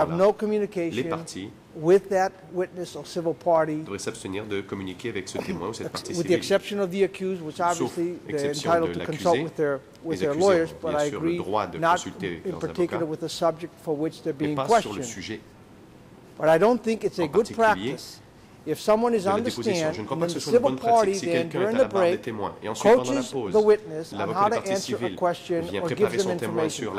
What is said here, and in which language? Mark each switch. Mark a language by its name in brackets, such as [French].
[English] have no communication with that witness or civil party, [French] devraient s'abstenir de communiquer avec ce témoin ou cette partie civile. [English] With the exception of the accused, which obviously they're entitled to consult with their lawyers, but I agree not in particular with the subject for which they're being questioned. But I don't think it's a good practice if someone is on the stand and the civil party then during the break coaches the witness on how to answer a question or gives them information.